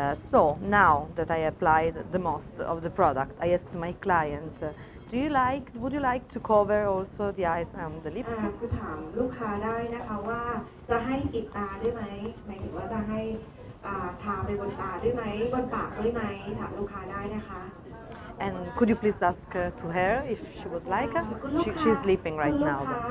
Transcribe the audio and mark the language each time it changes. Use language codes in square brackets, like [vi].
[en] So now that I applied the most of the product, I asked my client, would you like to cover also the eyes and the lips? [th] คือถามลูกค้าได้นะคะว่าจะให้ปิดตาได้ไหมหมายถึงว่าจะให้ทาไปบนตาได้ไหมบนปากได้ไหมถามลูกค้าได้นะคะ [en] And could you please ask to her if she would like? She's sleeping right now.